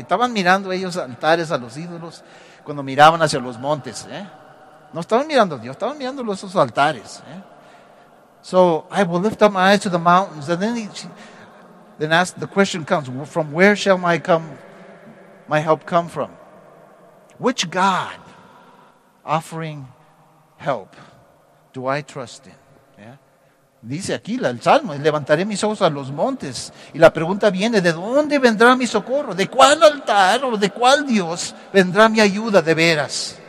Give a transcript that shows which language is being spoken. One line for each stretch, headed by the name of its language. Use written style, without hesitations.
Spanish: Estaban mirando ellos altares a los ídolos cuando miraban hacia los montes, eh? No estaban mirando a Dios, estaban mirando esos altares, eh?
English: So I will lift up my eyes to the mountains, and then ask the question comes, from where shall my help come from? Which God offering help do I trust in?
Spanish: Dice aquí el Salmo, levantaré mis ojos a los montes. Y la pregunta viene, ¿de dónde vendrá mi socorro? ¿De cuál altar o de cuál Dios vendrá mi ayuda de veras?